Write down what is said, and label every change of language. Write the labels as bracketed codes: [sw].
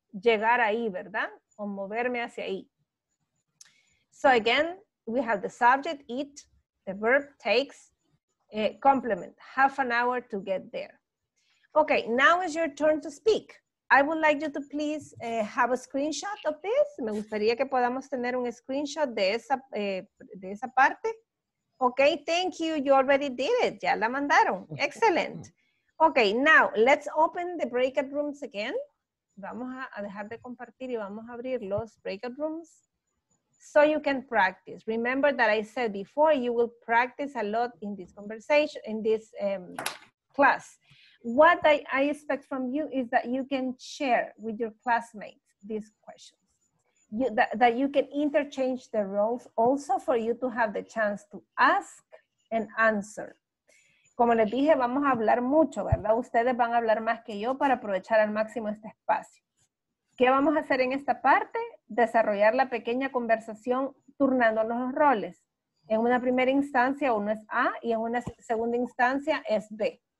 [es] Llegar ahí, ¿verdad? O moverme hacia ahí. [en] So again, we have the subject, it, the verb, takes. Complement, half an hour to get there. Okay, now is your turn to speak. I would like you to please have a screenshot of this. [es] Me gustaría que podamos tener un screenshot de esa parte. [en] Okay, thank you, you already did it. [es] Ya la mandaron, [en] excellent. Okay, now let's open the breakout rooms again. [es] Vamos a dejar de compartir y vamos a abrir los breakout rooms. [en] So you can practice. Remember that I said before, you will practice a lot in this conversation, in this class. What I expect from you is that you can share with your classmates these questions. That you can interchange the roles also for you to have the chance to ask and answer. [es] Como les dije, vamos a hablar mucho, ¿verdad? Ustedes van a hablar más que yo para aprovechar al máximo este espacio. ¿Qué vamos a hacer en esta parte? Desarrollar la pequeña conversación turnando los roles. En una primera instancia uno es A y en una segunda instancia es B.